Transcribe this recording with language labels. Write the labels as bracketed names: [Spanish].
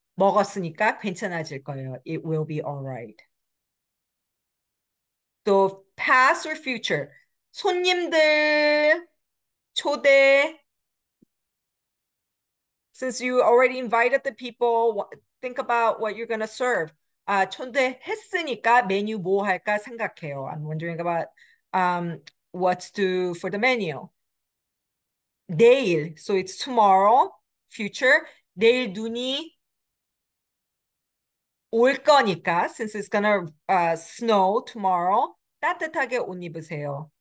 [Korean] 먹었으니까 괜찮아질 거예요. [English] It will be all right. 또 past or future. [Korean] 손님들 초대. [English] Since you already invited the people, think about what you're gonna serve. [Korean] 초대했으니까 메뉴 뭐 할까 생각해요. [English] I'm wondering about what's to for the menu. 내일, so it's tomorrow, future. [Korean] 내일 눈이 올 거니까, [English] since it's gonna snow tomorrow, [Korean] 따뜻하게 옷 입으세요.